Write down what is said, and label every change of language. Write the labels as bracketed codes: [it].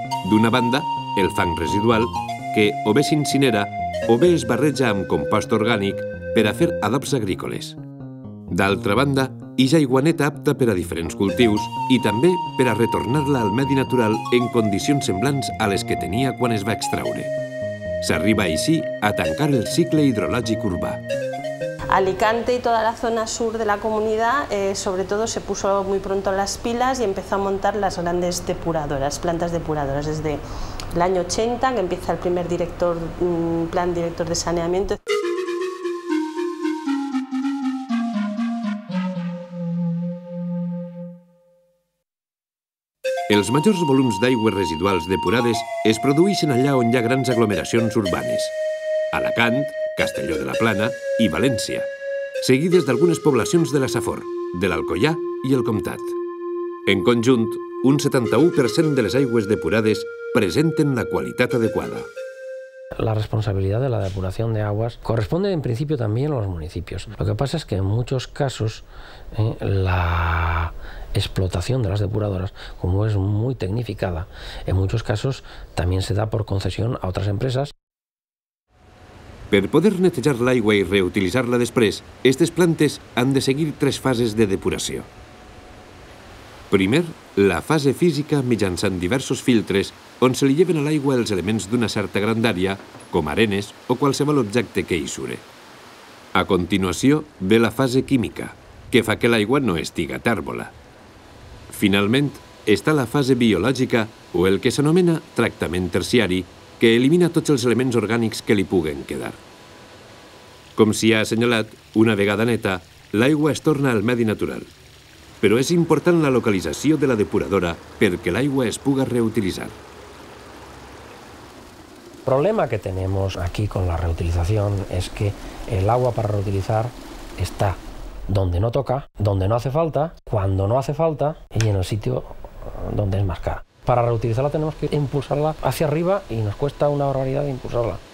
[ca] D'una banda, el fang residual, que o bé s'incinera o bé es barreja amb compost orgànic per a fer adobs agrícoles. D'altra banda, i Jaiguaneta apta per a diferents cultius i també per a retornar-la al medi natural en condicions semblants a les que tenia quan es va extraure. S'arriba així a tancar el cicle hidrològic urbà. [es] Alicante y toda la zona sur de la comunidad, sobre todo, se puso muy pronto las pilas y empezó a montar las grandes depuradoras, plantas depuradoras, desde el año 80, que empieza el primer director, plan director de saneamiento. [ca] Els majors volums d'aigües residuals depurades es produeixen allà on hi ha grans aglomeracions urbanes. Alacant, Castelló de la Plana i València, seguides d'algunes poblacions de la Safor, de l'Alcoià i el Comtat. En conjunt, un 71% de les aigües depurades presenten la qualitat adequada. [es] La responsabilidad de la depuración de aguas corresponde en principio también a los municipios. Lo que pasa es que en muchos casos la explotación de las depuradoras, como es muy tecnificada, en muchos casos también se da por concesión a otras empresas. [ca] Per poder netejar l'aigua i reutilitzar-la després, aquestes plantes han de seguir tres fases de depuració. Primer, la fase física mitjançant diversos filtres on se li lleven a l'aigua els elements d'una certa grandària, com arenes o qualsevol objecte que hi sure. A continuació, ve la fase química, que fa que l'aigua no estiga tàrbola. Finalment, està la fase biològica, o el que s'anomena tractament terciari, que elimina tots els elements orgànics que li puguen quedar. Com s'hi ha assenyalat, una vegada neta, l'aigua es torna al medi natural. Però és important la localització de la depuradora perquè l'aigua es puga reutilitzar. [es] El problema que tenemos aquí con la reutilización es que el agua para reutilizar está donde no toca, donde no hace falta, cuando no hace falta y en el sitio donde es más cara. Para reutilizarla tenemos que impulsarla hacia arriba y nos cuesta una barbaridad de impulsarla.